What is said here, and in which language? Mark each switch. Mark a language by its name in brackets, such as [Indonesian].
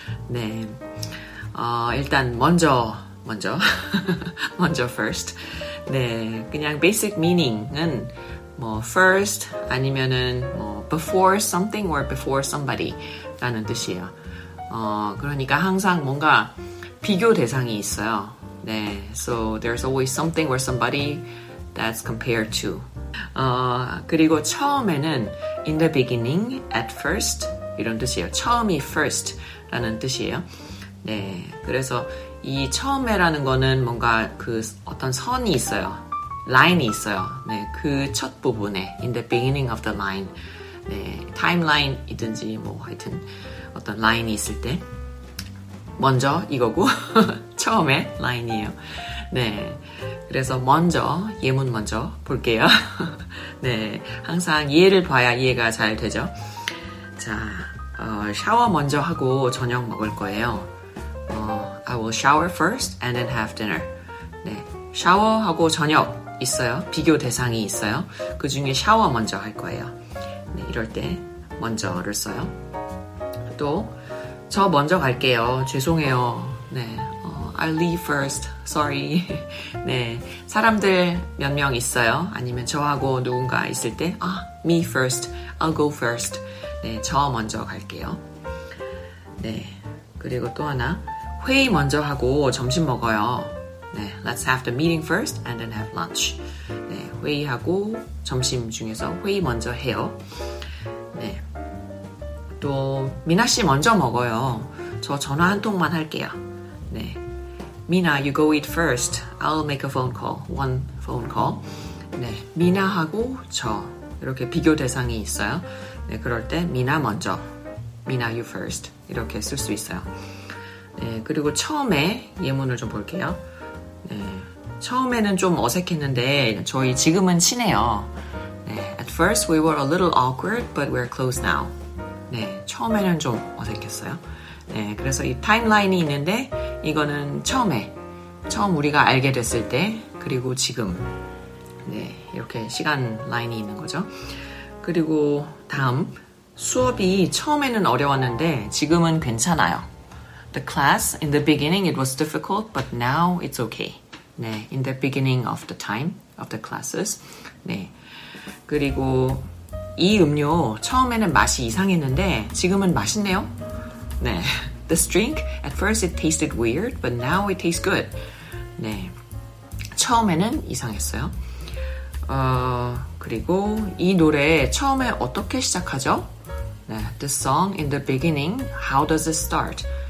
[Korean] 네, 일단 먼저 first. 네, 그냥 basic meaning은 뭐 first 아니면은 뭐 [English] before something or before somebody [Korean] 라는 뜻이에요. 그러니까 항상 뭔가 비교 대상이 있어요. [English] 네, so there's always something or somebody that's compared to. [Korean] 그리고 처음에는 [English] in the beginning, at first [Korean] 이런 뜻이에요. 처음이 first라는 뜻이에요. 네, 그래서 이 처음에라는 거는 뭔가 그 어떤 선이 있어요. 라인이 있어요. 네, 그 첫 부분에 [English] in the beginning of the line. [Korean] 네, 타임라인이든지 뭐 하여튼 어떤 라인이 있을 때 먼저 이거고 처음에 라인이에요. 네, 그래서 먼저 예문 먼저 볼게요. 네, 항상 이해를 봐야 이해가 잘 되죠. 자, 샤워 먼저 하고 저녁 먹을 거예요. [English] I will shower first and then have dinner. [Korean] 네, 샤워하고 저녁 있어요. 비교 대상이 있어요. 그 중에 샤워 먼저 할 거예요. 네, 이럴 때 먼저를 써요. 또 저 먼저 갈게요. 죄송해요. 네, [English] I'll leave first. Sorry. [Korean] 네, 사람들 몇 명 있어요. 아니면 저하고 누군가 있을 때 아, [English] me first. I'll go first. [Korean] 네, 저 먼저 갈게요. 네, 그리고 또 하나. 회의 먼저 하고 점심 먹어요. [English] 네, let's have the meeting first and then have lunch. [Korean] 네, 회의하고 점심 중에서 회의 먼저 해요. 네, 또 미나 씨 먼저 먹어요. 저 전화 한 통만 할게요. 네, [English] Mina, you go eat first. I'll make a phone call. One phone call. [Korean] 네, 미나하고 저 이렇게 비교 대상이 있어요. 네, 그럴 때 미나 먼저, [English] Mina, you first [Korean] 이렇게 쓸 수 있어요. 네, 그리고 처음에 예문을 좀 볼게요. 네, 처음에는 좀 어색했는데 저희 지금은 친해요. [English] 네, at first we were a little awkward, but we're close now. [Korean] 네, 처음에는 좀 어색했어요. 네, 그래서 이 타임라인이 있는데 이거는 처음에, 처음 우리가 알게 됐을 때 그리고 지금, 네, 이렇게 시간 라인이 있는 거죠. 그리고 다음, 수업이 처음에는 어려웠는데 지금은 괜찮아요. [English] The class, in the beginning it was difficult, but now it's okay. 네, in the beginning of the time, of the classes. [Korean] 네, 그리고 이 음료 처음에는 맛이 이상했는데 지금은 맛있네요. [English] 네, this drink, at first it tasted weird, but now it tastes good. [Korean] 네, 처음에는 이상했어요. 그리고 이 노래 처음에 어떻게 시작하죠? [English] 네, the song in the beginning, how does it start?